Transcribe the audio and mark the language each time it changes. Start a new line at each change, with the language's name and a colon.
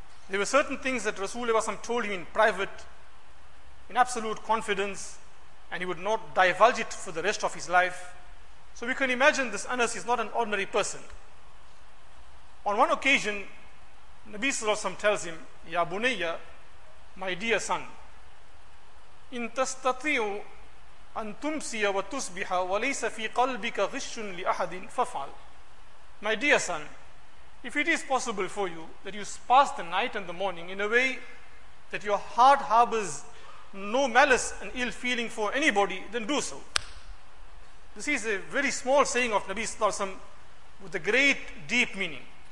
English: There were certain things that Rasulullah sallallahu alayhi wa sallam told him in private, in absolute confidence, and he would not divulge it for the rest of his life. So we can imagine this Anas is not an ordinary person. On one occasion, Nabi sallallahu alayhi wa sallam tells him, Ya Bunayya, my dear son,
Arabic: إِن تَسْتَطِيُوا أن تمسي وتصبح وليس في قلبك غش لأحد ففعل.
English: My dear son, if it is possible for you that you pass the night and the morning in a way that your heart harbors no malice and ill feeling for anybody, then do so. This is a very small saying of Nabi Sallallahu Alaihi Wasallam with a great deep meaning.